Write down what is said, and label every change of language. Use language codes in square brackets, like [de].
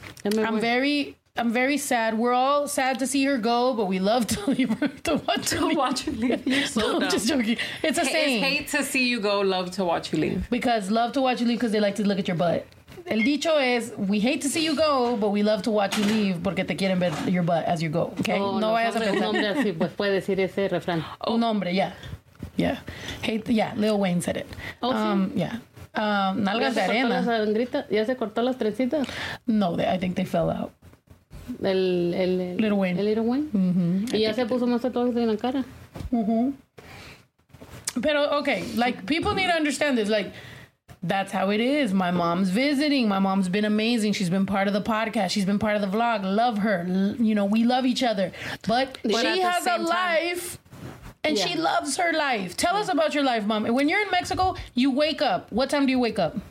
[en] I'm very sad. We're all sad to see her go, but we love to leave her to watch her leave. Watch her leave. You're so no, dumb. I'm just joking. It's a saying. It's hate to see you go, love to watch you leave. Because love to watch you leave because they like to look at your butt. [es] El dicho es, [en] we hate to see you go, but we love to watch you leave [es] porque te quieren ver [en] your butt as you go. Okay? [es] Oh, no vayas a pensar. Un hombre así pues puede decir ese refrán. [en] Oh. [es] Un hombre, [en] yeah. Yeah. Hate, yeah, Lil Wayne said it. [es] Oh, sí. Yeah. Nalgas de arena. ¿Ya se cortó la sangrita? ¿Ya se cortó las trencitas? [en] No, I think they fell out. [es] El [en] Little Wayne. [es] El Little Wayne. Mm-hmm. Y ya se puso más tatuajes en la cara. Mm-hmm. [en] Pero, okay, like, people need to understand this. Like, that's how it is. My mom's visiting. My mom's been amazing. She's been part of the podcast. She's been part of the vlog. Love her. You know, we love each other. But she has a life. And yeah. She loves her life. Tell us about your life, mom. When you're in Mexico, you wake up. What time do you wake up?